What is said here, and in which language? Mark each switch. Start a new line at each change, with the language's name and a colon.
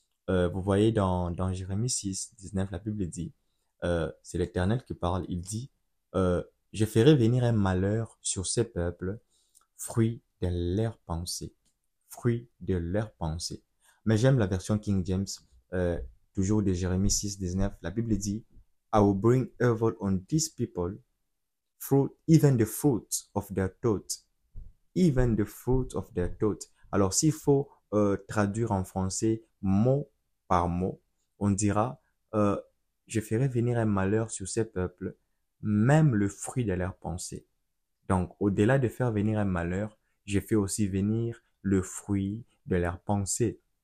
French: Vous voyez, dans Jérémie 6, 19, la Bible dit, c'est l'Éternel qui parle, il dit, je ferai venir un malheur sur ces peuples, fruit de leur pensée. Fruit de leur pensée. Mais j'aime la version King James, toujours de Jérémie 6, 19. La Bible dit,
English: I will bring evil on these people, even the fruit of their thoughts. Even the fruit of their thoughts.
French: Alors, s'il faut traduire en français mot par mot, on dira, je ferai venir un malheur sur ces peuples, même le fruit de leur pensée. Donc, au-delà de faire venir un malheur, je fais aussi venir le fruit de leur pensée.